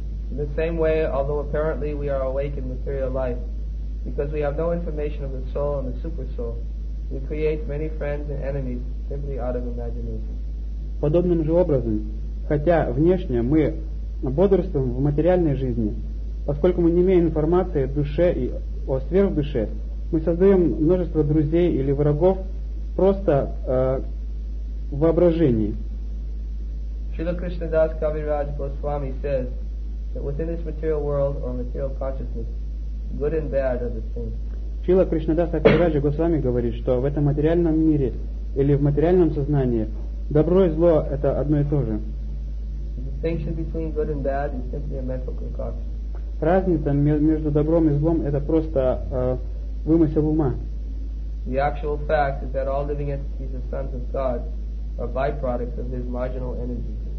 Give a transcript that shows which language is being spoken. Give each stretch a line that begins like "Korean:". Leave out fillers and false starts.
English: In the same way, although apparently we are awake in material life, because we have no information of the soul and the super soul, we create many friends and enemies simply out of imagination.
Russian: Подобным же образом, хотя внешне мы бодрствуем в материальной жизни, поскольку мы не имеем информации о душе и о сверхдуше, мы создаем множество друзей или врагов просто в воображении.
English: Srila Krishna Das Kaviraj Goswami says that within this material world or material consciousness, good and bad are the same.
Russian: Шрила Кришнадаса Кавираджа Госвами говорит, что в этом материальном мире или в материальном сознании добро и зло — это одно и то же.
English: The distinction between good and bad is simply a mental concoction.
Russian: Разница между добром и злом — это просто вымысел ума.
English: The actual fact is that all living entities are sons of God, are byproducts of His marginal energy.